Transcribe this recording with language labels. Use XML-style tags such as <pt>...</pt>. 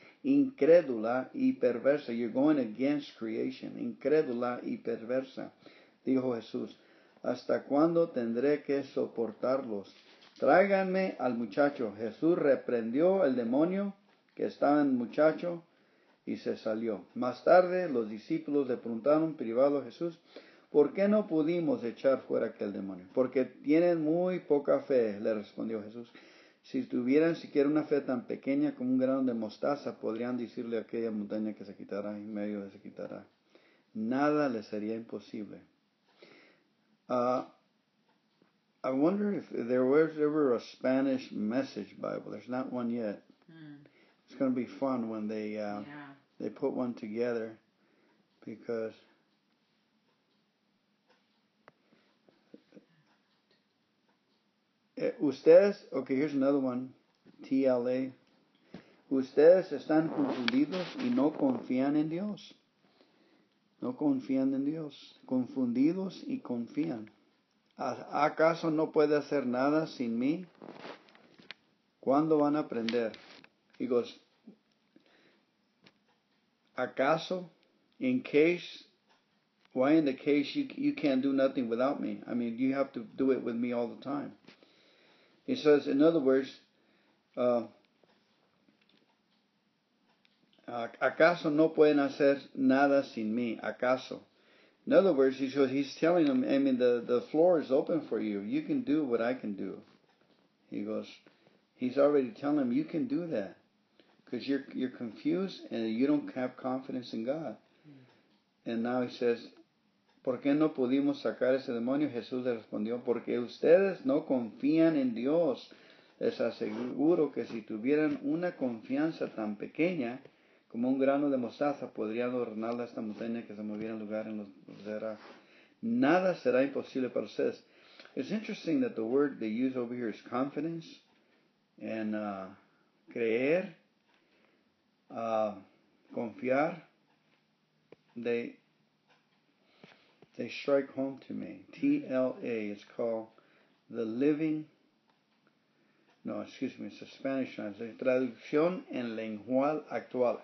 <es>Incrédula y perversa.</es> <en>You're going against creation.</en> <es>Incrédula y perversa. Dijo Jesús. ¿Hasta cuándo tendré que soportarlos? Tráiganme al muchacho. Jesús reprendió el demonio que estaba en el muchacho y se salió. Más tarde, los discípulos le preguntaron privado a Jesús, ¿por qué no pudimos echar fuera aquel demonio? Porque tienen muy poca fe, le respondió Jesús. Si tuvieran siquiera una fe tan pequeña como un grano de mostaza, podrían decirle a aquella montaña que se quitará y medio se quitará. Nada les sería imposible.</es> <en>I wonder if there was ever a Spanish message Bible. There's not one yet. Hmm. It's going to be fun when they they put one together because... ustedes, okay, here's another one, TLA.</en> <es>Ustedes están confundidos y no confían en Dios. No confían en Dios. Confundidos y confían. ¿Acaso no puede hacer nada sin mí? ¿Cuándo van a aprender?</es> <en>He goes,</en> <es>¿acaso?</es> <en>In case, why in the case you can't do nothing without me? I mean, you have to do it with me all the time. He says, in other words,</en> <es>¿acaso no pueden hacer nada sin mí? ¿Acaso?</es> <en>In other words, he's telling them, I mean, the floor is open for you. You can do what I can do. He goes, he's already telling them, you can do that. Because you're confused and you don't have confidence in God. Mm. And now he says,</en> <es>¿por qué no pudimos sacar ese demonio? Jesús le respondió, porque ustedes no confían en Dios. Les aseguro que si tuvieran una confianza tan pequeña como un grano de mostaza, podrían adornar esta montaña que se moviera en lugar en los era. Nada será imposible para ustedes.</es> <en>It's interesting that the word they use over here is confidence and creer, confiar. They strike home to me. TLA is called the living. No, excuse me, it's a Spanish translation.</en> <es>Traducción en lenguaje actual.</es>